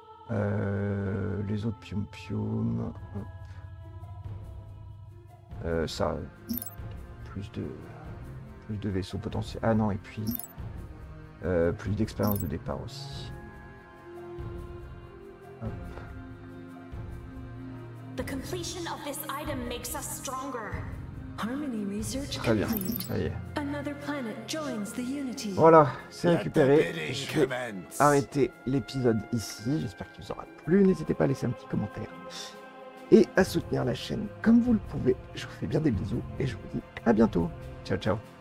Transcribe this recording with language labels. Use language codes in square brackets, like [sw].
[fr] Les autres pium-pium. Ça, plus de vaisseaux potentiels. Ah non, et puis plus d'expérience de départ aussi. Hop. [en] The completion of this item makes us stronger. Harmony research [fr] très bien. [en] Complete. Another planet joins the unity. [fr] Voilà, c'est récupéré. Je vais arrêter l'épisode ici. J'espère qu'il vous aura plu. N'hésitez pas à laisser un petit commentaire. Et à soutenir la chaîne comme vous le pouvez. Je vous fais bien des bisous et je vous dis à bientôt. Ciao, ciao.